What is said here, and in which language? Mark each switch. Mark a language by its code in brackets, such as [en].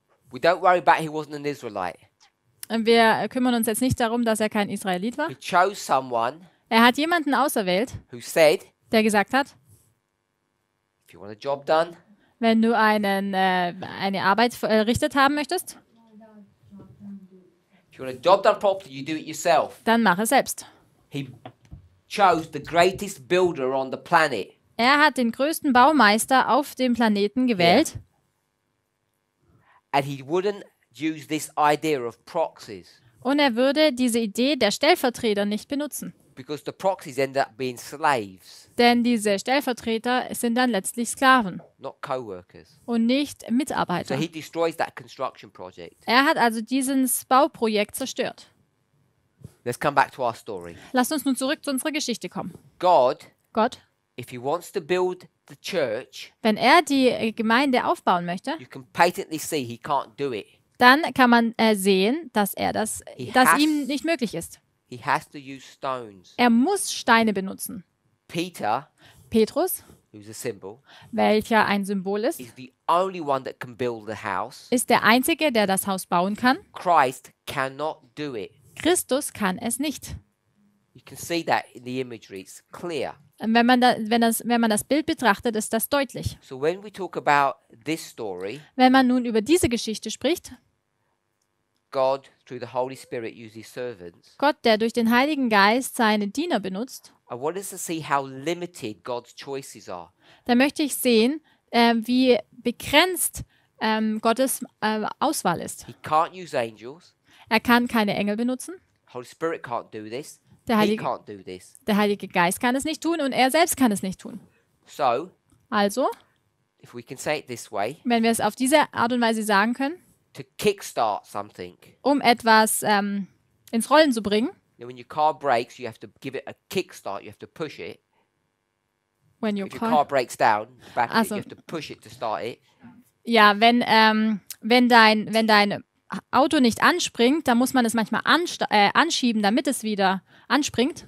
[en] We don't worry about he wasn't an Israelite. [de] Wir kümmern uns jetzt nicht darum, dass kein Israelit war. [en] He chose someone. [de] Er hat jemanden auserwählt, [en] who said, [de] der gesagt hat, [en] if you want a job done, [de] wenn du eine Arbeit errichtet haben möchtest, [en] if you want a job done properly, you do it yourself. [de] Dann mach es selbst. [en] He chose the greatest builder on the planet. [de] Er hat den größten Baumeister auf dem Planeten gewählt. [en] Yeah. And he wouldn't use this idea of proxies. [de] Und würde diese Idee der Stellvertreter nicht benutzen. [en] Because the proxies end up being slaves. [de] Denn diese Stellvertreter sind dann letztlich Sklaven. [en] Not co-workers. [de] Und nicht Mitarbeiter. [en] So he destroys that construction project. [de] Er hat also dieses Bauprojekt zerstört. [en] Let's come back to our story. [de] Lasst uns nun zurück zu unserer Geschichte kommen. Gott, [en] if he wants to build the church, [de] wenn die Gemeinde aufbauen möchte, [en] you can patently see he can't do it. [de] Dann kann man sehen, dass ihm nicht möglich ist. [en] He has to use stones. [de] Er muss Steine benutzen. Petrus, [en] who's a symbol, [de] welcher ein Symbol ist, [en] is the only one that can build the house. [de] Ist der Einzige, der das Haus bauen kann. [en] Christ cannot do it. [de] Christus kann es nicht. [en] You can see that in the imagery. It's clear. [de] Wenn man das Bild betrachtet, ist das deutlich. [en] So when we talk about this story, [de] wenn man nun über diese Geschichte spricht, [en] God, through the Holy Spirit, uses servants. [de] Gott, der durch den Heiligen Geist seine Diener benutzt. [en] I want us to see how limited God's choices are. [de] Da möchte ich sehen, wie begrenzt Gottes Auswahl ist. [en] He can't use angels. [de] Er kann keine Engel benutzen. [en] Holy Spirit can't do this. [de] Der Heilige Geist kann es nicht tun und selbst kann es nicht tun. [en] So, [de] also, [en] if we can say it this way, [de] wenn wir es auf diese Art und Weise sagen können, [en] to kickstart something. [de] Um etwas ins Rollen zu bringen. [en] When your car breaks, you have to give it a kickstart. You have to push it. When your car breaks down, the battery, also, you have to push it to start it. [de] Ja, wenn dein Auto nicht anspringt, dann muss man es manchmal anschieben, damit es wieder anspringt.